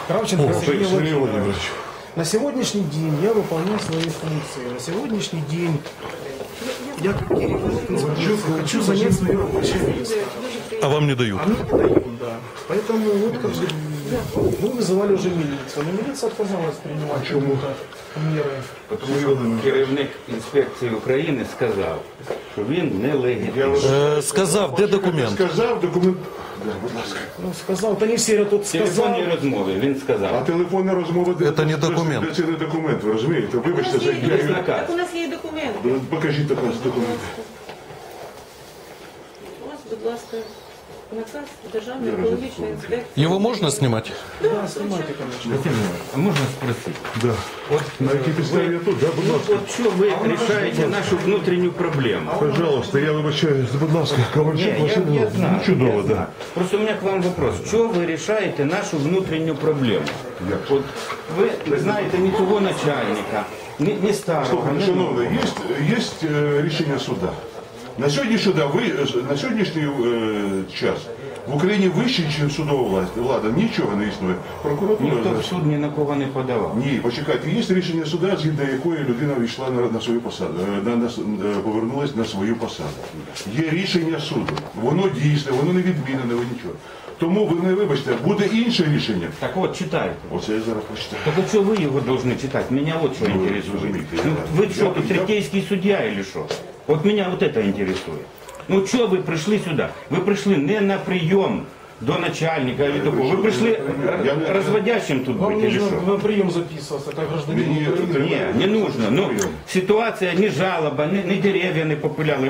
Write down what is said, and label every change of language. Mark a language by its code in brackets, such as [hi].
[ru] Кравченко, Сергей Владимирович. На сегодняшний день я выполняю свои функции. На сегодняшний день я хочу занять свое рабочее место. А вам не дают? А мне не дают, да. Поэтому вот как же вы вызывали уже милицию. Но милиция отказалась принимать какие-то меры. [uk] Потому что керівник інспекції України сказав, що він не легітимний. Сказав, де документ? Сказав документ. [ru] Ну, сказал, то не серия, тут сказал. Телефонные разговоры, он сказал. А телефонные разговоры? Это не документ. Это не документ, вы понимаете? [uk] Вибачте, [ru] у нас есть документ. Документ. Покажите, пожалуйста, документ. У вас, пожалуйста, наказ Державной экологической инспекции. Его можно снимать? Да, снимайте, конечно. Да. Снимайте. А можно спросить? Да. Вот, на какие представления тут? Да, пожалуйста. Вот что вы решаете нашу внутреннюю проблему? Пожалуйста, я вообще, пожалуйста, Ковальчук, Василий, чудово, да. Просто у меня к вам вопрос. Что вы решаете нашу внутреннюю проблему? Нет. Вот вы знаете ни того начальника, ни старого. Слушай, шановный, есть решение суда. На сегодняшний, да, вы, на сегодняшний час в Украине выше, чем судовая власть. Ладно, ничего не існує. Прокуратура. Никто в суд ни на кого не подавал. [uk] Ні, почекайте, [ru] есть решение суда, [uk] згідно якої людина вийшла на свою посаду, повернулась на свою посаду. Є рішення суду. Воно дійсне, воно не відмінене, ви нічого. Тому ви не вибачте, буде інше рішення. Так от читайте. Оце я зараз почитаю. Так оце ви його должны читати. Мене от що інтересує. Ну, ви що, третейський суддя или що? [ru] Вот меня вот это интересует. Ну что вы пришли сюда? Вы пришли не на прием до начальника или такого. Вы пришли разводящим тут вам быть или что? Вам нужно на прием записываться, как гражданин. Не нужно. Ну, ситуация не жалоба, не деревья не попыляли.